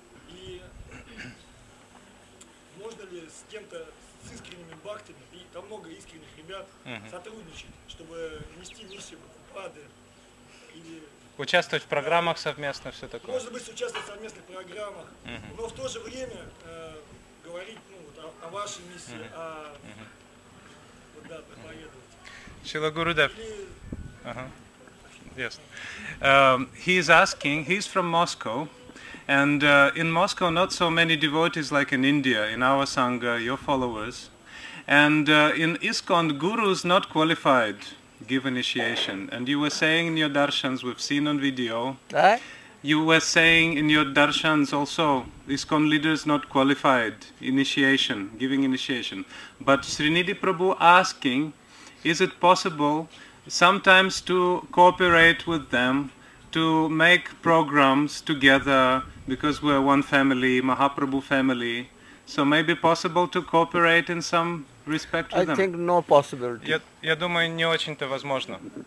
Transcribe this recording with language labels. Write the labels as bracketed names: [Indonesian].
[Russian] И можно ли с кем-то, с искренними бхактами, и там много искренних ребят, сотрудничать, чтобы нести миссию Прабхупады или участвовать в программах совместно, все такое. Может быть, участвовать в совместных программах, но в то же время говорить о вашей миссии, о проповедовать. Шрила Гурудев. [English] Yes. He is asking, he's from Moscow, and in Moscow not so many devotees like in India, in our Sangha, your followers. And in ISKCON, gurus not qualified give initiation. And you were saying in your darshans, we've seen on video, you were saying in your darshans also, ISKCON leaders not qualified initiation, giving initiation. But Srinidhi Prabhu asking, is it possible sometimes to cooperate with them, to make programs together, because we're one family, Mahaprabhu family, so maybe possible to cooperate in some respect with them? I think no possibility. [Russian] Я думаю, не очень-то возможно.